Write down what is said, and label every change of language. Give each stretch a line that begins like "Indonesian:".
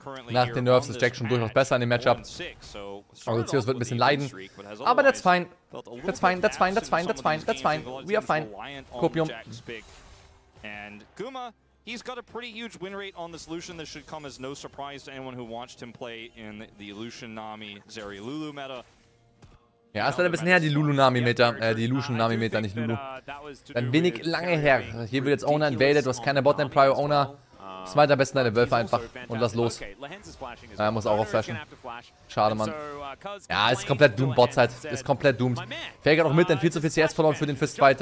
German: Nach den Nerfs ist Jack schon durchaus besser in dem Matchup. Also Zeus wird ein bisschen leiden.
English: Aber that's fine. That's fine, that's fine, that's fine, that's fine, that's fine. We are fine. Kopium. And Guma, he's got a pretty huge win rate on this Lucian. This should come as no surprise to anyone who watched him play in the Lucian Nami Zeri Lulu meta.
German: Ja, ist leider ein bisschen her, die Lulu-Nami-Meta, die Lucian-Nami-Meta, nicht Lulu. Ein wenig lange her. Hier wird jetzt Owner invaded, du hast keine Botlane-Prior-Owner. Smite am besten deine Wölfe einfach und lass los. Ja, er muss auch aufflashen. Schade, Mann. Ja, ist komplett doomed, Botzeit. Ist komplett doomed. Faker noch mit, dann viel zu viel CS verloren für den Fistfight.